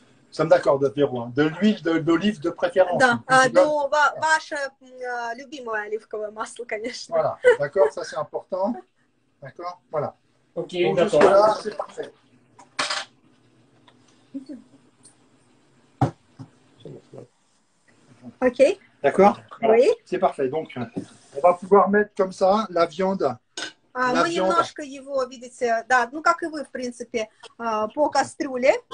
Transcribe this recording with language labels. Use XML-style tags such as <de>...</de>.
<fr>Сам d'accord, de l'huile de préférence.</fr> <ru>Да, до ваше любимое оливковое масло, конечно.</ru> <fr>Voilà, d'accord, ça c'est important. D'accord, voilà. Ok, d'accord. Ok. D'accord. Oui. C'est parfait. Donc, on va pouvoir mettre comme ça la viande.</fr> <ru>Мы немножко его, видите, да, ну как и вы, в принципе, по кастрюле.</ru>